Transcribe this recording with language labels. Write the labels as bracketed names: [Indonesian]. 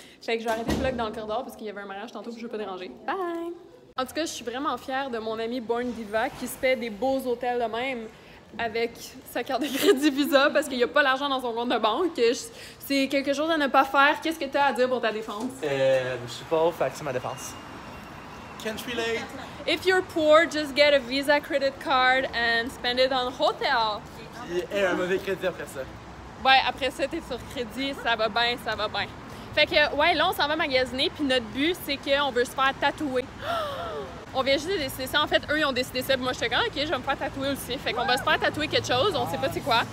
[French] Fait que je vais arrêter le vlog dans le corridor parce qu'il y avait un mariage tantôt que je veux pas déranger. Bye! En tout cas, je suis vraiment fière de mon ami Born Diva qui se fait des beaux hôtels de même avec sa carte de crédit Visa parce qu'il n'y a pas l'argent dans son compte de banque. C'est quelque chose à ne pas faire. Qu'est-ce que tu as à dire pour ta défense? Je suis pauvre, fait que c'est ma défense. [English] Can't relate. If you're poor, just get a Visa credit card and spend it on hotel. [French] Et un mauvais crédit après ça. Ouais, après ça, t'es sur crédit, ça va bien, ça va bien. Fait que, ouais, là, on s'en va magasiner, puis notre but, c'est qu'on veut se faire tatouer. On vient juste de décider ça. En fait, eux, ils ont décidé ça, puis moi, je suis comme, ok, je vais me faire tatouer aussi. Fait qu'on va se faire tatouer quelque chose, on sait pas c'est quoi.